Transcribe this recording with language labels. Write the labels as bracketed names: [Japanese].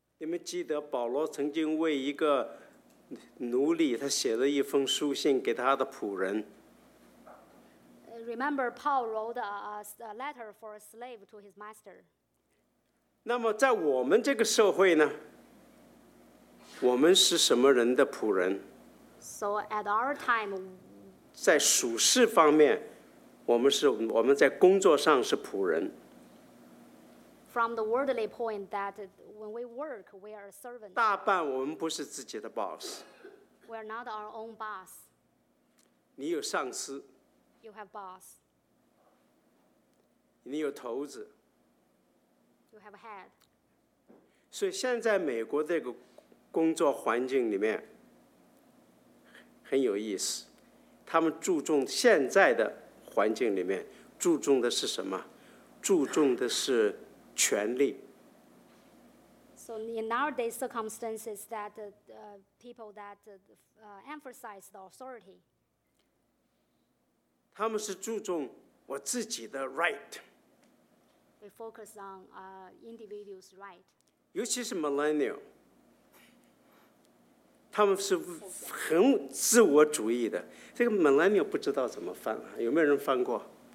[Chinese] 你们记得保罗曾经为一个奴隶，他写了一封书信给他的仆人。 [English] Remember, Paul wrote a letter for a slave to his master. [Chinese] 那么在我们这个社会呢，我们是什么人的仆人？ [English] So at our time, [Chinese] 在属事方面，我们在工作上是仆人。 [English] From the worldly point that when we work, we are servants. [Chinese] 大半我们不是自己的 boss. [English] We are not our own boss. [Chinese] 你有上司。 [English] You have boss. [Chinese] 你有头子。 [English] You have head. [Chinese] 所以现在美国这个工作环境里面很有意思，他们注重现在的环境里面注重的是什么？注重的是权力。 [English] So in nowadays circumstances, that people that emphasize the authority. [Chinese] 他们是注重我自己的 right. [English] We focus on individual's right. [Chinese] 尤其是 millennial, 他们是很自我主义的。这个 millennial 不知道怎么翻，有没有人翻过？